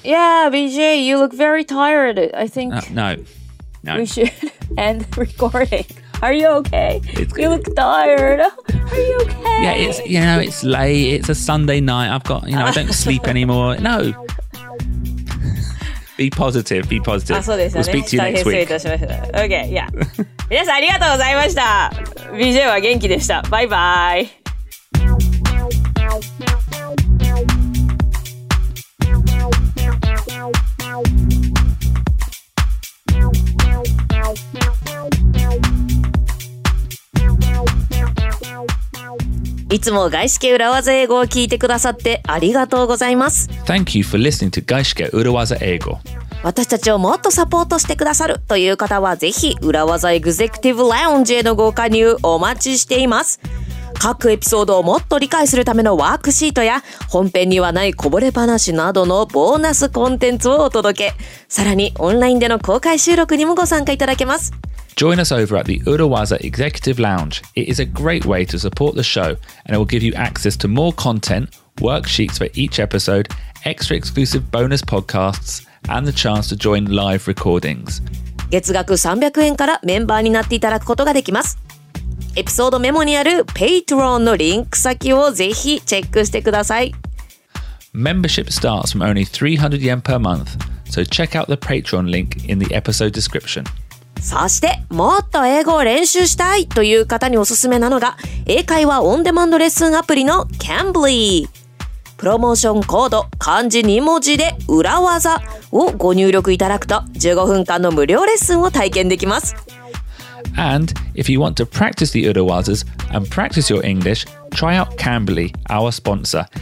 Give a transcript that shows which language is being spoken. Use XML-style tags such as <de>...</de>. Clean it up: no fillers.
<en>Yeah, BJ, you look very tired, I think. No. We should end the recording. Are you okay? It's good. You look tired. Are you okay? Yeah, it's, you know, it's late. It's a Sunday night. I've got, you know, I don't sleep anymore. No. Be positive.</en> <ja>あ、そうですよね。</ja> <en>We'll speak to you next week.</en> <ja>大変失礼いたしました。</ja> <en>Okay, yeah.</en> <ja>皆さんありがとうございました。BJ は元気でした。バイバイ。いつも外資系裏技英語を聞いてくださってありがとうございます。</ja> <en>Thank you for listening to 外資系裏技英語。</en> <ja>私たちをもっとサポートしてくださるという方はぜひ裏技エグゼクティブラウンジへのご加入お待ちしています。各エピソードをもっと理解するためのワークシートや本編にはないこぼれ話などのボーナスコンテンツをお届け。さらにオンラインでの公開収録にもご参加いただけます。</ja> <en>Join us over at the Urawaza Executive Lounge. It is a great way to support the show, and it will give you access to more content, worksheets for each episode, extra exclusive bonus podcasts, and the chance to join live recordings.</en> <ja>月額300円からメンバーになっていただくことができます。エピソードメモにある Patreon のリンク先をぜひチェックしてください。</ja> <en>Membership starts from only 300 yen per month, so check out the Patreon link in the episode description.</en> <ja>そしてもっと英語を練習したいという方におすすめなのが英会話オンデマンドレッスンアプリの Cambly。プロモーションコード漢字2文字で裏技をご入力いただくと15分間の無料レッスンを体験できます。</ja> <en>And if you want to practice the Urawazas and practice your English, try out Cambly, our sponsor.</en>